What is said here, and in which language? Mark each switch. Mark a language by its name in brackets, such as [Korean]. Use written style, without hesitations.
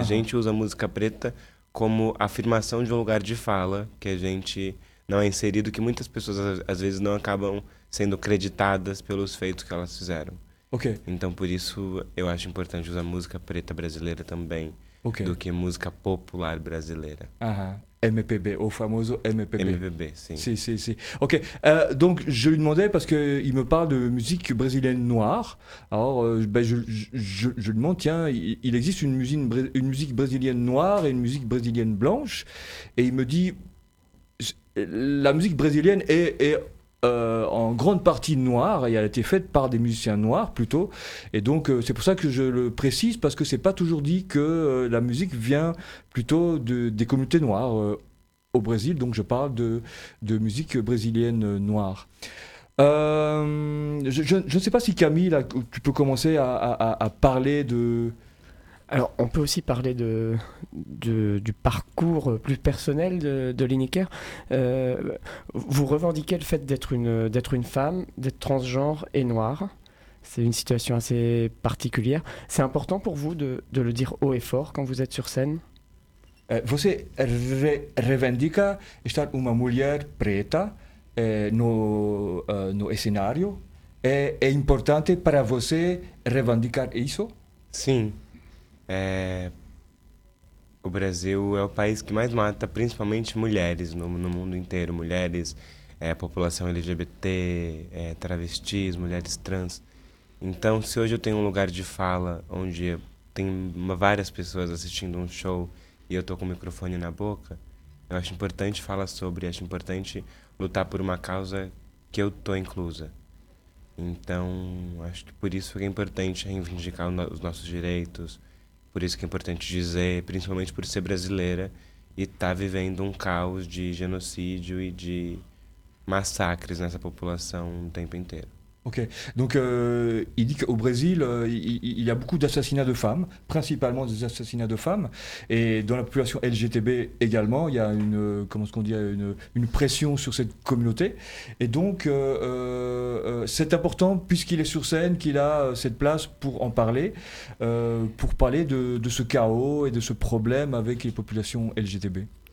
[Portuguese] A gente usa a música preta como afirmação de um lugar de fala, que a gente não é inserido, que muitas pessoas às vezes não acabam sendo creditadas pelos feitos que elas fizeram. Então, por isso, eu acho importante usar música preta brasileira também do que música popular brasileira. MPB, o famoso MPB. MPB, sim. Si. [French] Ok, donc je lui demandais, parce qu'il me parle de musique brésilienne noire, alors je lui demande, tiens, il existe une musique brésilienne noire et une musique brésilienne blanche, et il me dit, la musique brésilienne est en grande partie noire, et elle a été faite par des musiciens noirs plutôt, et donc c'est pour ça que je le précise, parce que c'est pas toujours dit que la musique vient plutôt des communautés noires. Au Brésil, donc je parle de musique brésilienne noire. Je ne sais pas si Camille, là, tu peux commencer à parler de... Alors, on peut aussi parler du parcours plus personnel de Liniker. Vous revendiquez le fait d'être une femme, d'être transgenre et noire. C'est une situation assez particulière. C'est important pour vous de le dire haut et fort quand vous êtes sur scène? [Portuguese] Você reivindica estar uma mulher preta no cenário? É importante para você reivindicar isso? Sim. O Brasil é o país que mais mata, principalmente mulheres no mundo inteiro. Mulheres, população LGBT, travestis, mulheres trans. Então, se hoje eu tenho um lugar de fala onde tem várias pessoas assistindo um show e eu tô com o microfone na boca, eu acho importante falar sobre, acho importante lutar por uma causa que eu tô inclusa. Então, acho que por isso que é importante reivindicar os nossos direitos, por isso que é importante dizer, principalmente por ser brasileira e estar vivendo um caos de genocídio e de massacres nessa população o tempo inteiro. [French] Ok, donc il dit qu'au Brésil, il y a beaucoup d'assassinats de femmes, principalement des assassinats de femmes, et dans la population LGBT également, il y a comment est-ce qu'on dit, une pression sur cette communauté. Et donc c'est important, puisqu'il est sur scène, qu'il a cette place pour parler de ce chaos et de ce problème avec les populations LGBT.